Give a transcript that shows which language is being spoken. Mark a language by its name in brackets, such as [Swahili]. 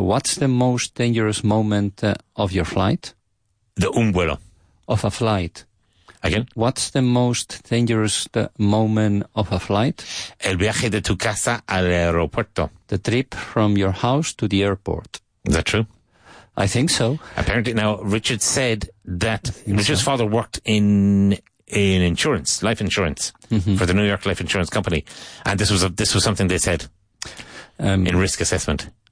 [English] What's the most dangerous moment of your flight? [Spanish] De un vuelo. [English] Of a flight. Again? What's the most dangerous moment of a flight? [Spanish] El viaje de tu casa al aeropuerto. [English] The trip from your house to the airport. Is that true? I think so. Apparently. Now, Richard said that Richard's father worked in insurance, life insurance, mm-hmm. for the New York Life Insurance Company. And this was something they said in risk assessment.